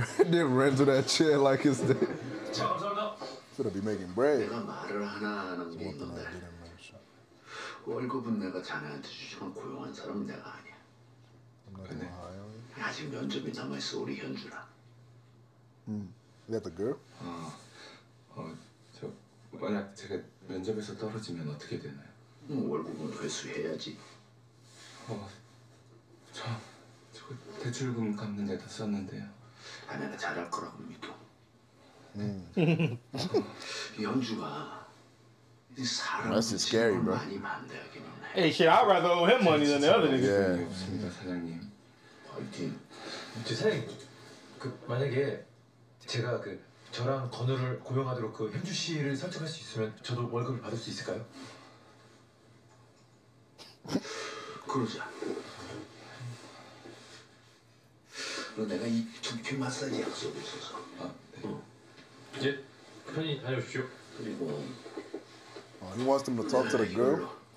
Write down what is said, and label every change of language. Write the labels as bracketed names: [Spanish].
[English] They ran to that chair like it's the. [Korean] 감사합니다. [English] Should be making bread. [Korean] 내가 말을 하나 하는 게 있는데. 월급은 내가 자네한테 주지만 고용한 사람은 내가 아니야. 근데 아직 면접이 남아 있어 우리 현주라. [English] Is that the girl? [Korean] 저 만약 제가 면접에서 떨어지면 어떻게 되나요? 월급은 회수해야지. 저 대출금 갚는 데다 썼는데요. 아, 내가 잘할 거라고 믿어. 연주가 이 사람 지금 많이 만들긴 해. [English] Hey, shit, I'd rather owe him money than the other nigga. [Korean] 없습니다, 사장님. 화이팅. 제 사장님, 그 만약에 제가 그 저랑 건우를 고용하도록 그 현주 씨를 설득할 수 있으면 저도 월급을 받을 수 있을까요? 그러자. 너 내가 이 두피 마사지 약속 있어서. 어. 이제 편히 다녀오십시오. 그리고. [English] Oh, he wants them to talk to the girl.